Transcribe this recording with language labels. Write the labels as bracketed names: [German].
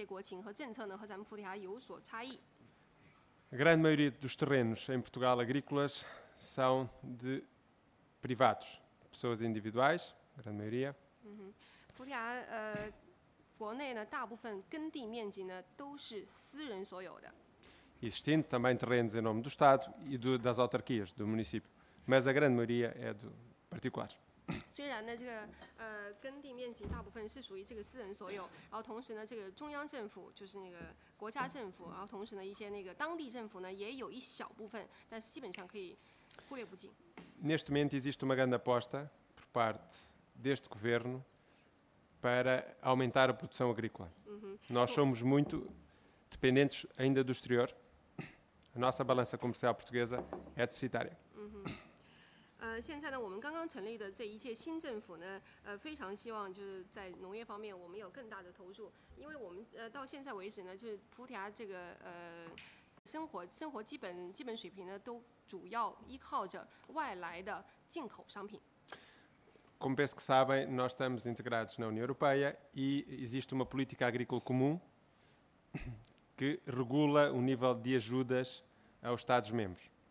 [Chinese] 我们呢就刚才在那个主席先生然后介绍，然后呢也知道，就是我们这个中国的国情呢，就在农业方面的一些国情和政策呢，和咱们莆田有所差异。 [Portuguese] A grande maioria dos terrenos em Portugal agrícolas são de privados, pessoas individuais, grande maioria. [Chinese] 莆田国内呢，大部分耕地面积呢都是私人所有的。 [Portuguese] Existindo também terrenos em nome do Estado e das autarquias do município, mas a grande maioria é de particulares. [Chinese] 虽然呢，这个耕地面积大部分是属于这个私人所有，然后同时呢，这个中央政府就是那个国家政府，然后同时呢，一些那个当地政府呢也有一小部分，但基本上可以忽略不计。 [Portuguese] Neste momento existe uma grande aposta por parte deste governo para aumentar a produção agrícola. Nós somos muito dependentes ainda do exterior. A nossa balança comercial portuguesa é deficitária. [Chinese] 现在呢，我们刚刚成立的这一届新政府呢，非常希望就是在农业方面我们有更大的投入，因为我们到现在为止呢，就是葡萄牙这个生活基本水平呢，都主要依靠着外来的进口商品。 [Portuguese] Como penso que sabem, nós estamos integrados na União Europeia e existe uma política agrícola comum que regula o nível de ajudas aos Estados-membros.